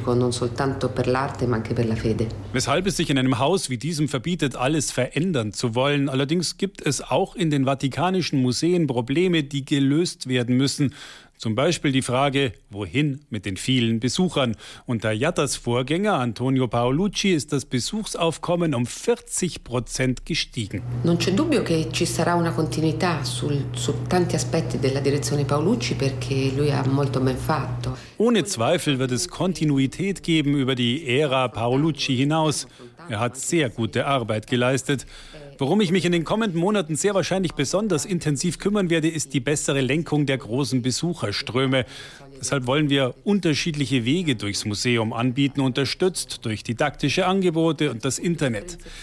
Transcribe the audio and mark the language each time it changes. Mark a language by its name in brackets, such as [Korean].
[German] Weshalb es sich in einem Haus wie diesem verbietet, alles verändern zu wollen. Allerdings gibt es auch in den Vatikanischen Museen Probleme, die gelöst werden müssen. Zum Beispiel die Frage, wohin mit den vielen Besuchern? Unter Jattas Vorgänger Antonio Paolucci ist das Besuchsaufkommen um 40% gestiegen. [Italian] Non c'è dubbio che ci sarà una continuità su tanti aspetti della direzione Paolucci perché lui ha molto ben fatto. [German] Ohne Zweifel wird es Kontinuität geben über die Ära Paolucci hinaus. Er hat sehr gute Arbeit geleistet. Worum ich mich in den kommenden Monaten sehr wahrscheinlich besonders intensiv kümmern werde, ist die bessere Lenkung der großen Besucherströme. Deshalb wollen wir unterschiedliche Wege durchs Museum anbieten, unterstützt durch didaktische Angebote und das Internet.